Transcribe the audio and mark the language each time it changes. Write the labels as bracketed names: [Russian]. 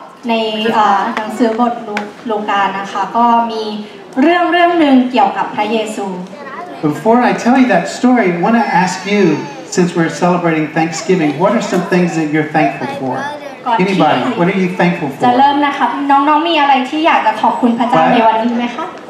[Thai] ในหนังสือบทลูกานะคะก็มีเรื่องนึงเกี่ยวกับพระเยซู [English] Before I tell you that story, I want to ask you, since we're celebrating Thanksgiving, what are some things that you're thankful for? Anybody, what are you thankful for? [Thai] จะเริ่มนะคะน้องๆมีอะไรที่อยากจะขอบคุณพระเจ้าในวันนี้ไหมคะ